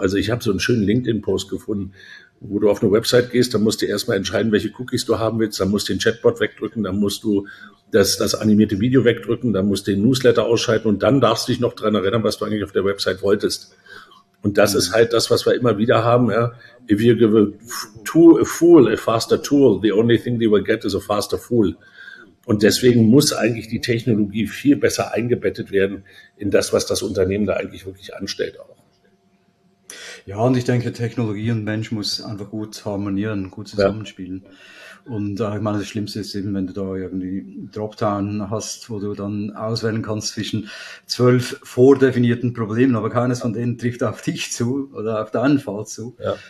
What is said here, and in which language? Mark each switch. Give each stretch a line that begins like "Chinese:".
German: Also ich habe so einen schönen LinkedIn-Post gefunden, wo du auf eine Website gehst, dann musst du erstmal entscheiden, welche Cookies du haben willst, dann musst du den Chatbot wegdrücken, dann musst du das animierte Video wegdrücken, dann musst du den Newsletter ausschalten und dann darfst du dich noch daran erinnern, was du eigentlich auf der Website wolltest. Und das ist halt das, was wir immer wieder haben. Ja?
English: If you give a fool a faster tool, the only thing they will get is a faster fool.
German: Und deswegen muss eigentlich die Technologie viel besser eingebettet werden in das, was das Unternehmen da eigentlich wirklich anstellt auch. Ja, und ich denke, Technologie und Mensch muss einfach gut harmonieren, gut zusammenspielen. Und ich meine, das Schlimmste ist eben, wenn du da irgendwie Dropdown hast, wo du dann auswählen kannst zwischen 12 vordefinierten Problemen, aber keines von denen trifft auf dich zu oder auf deinen Fall zu. Ja.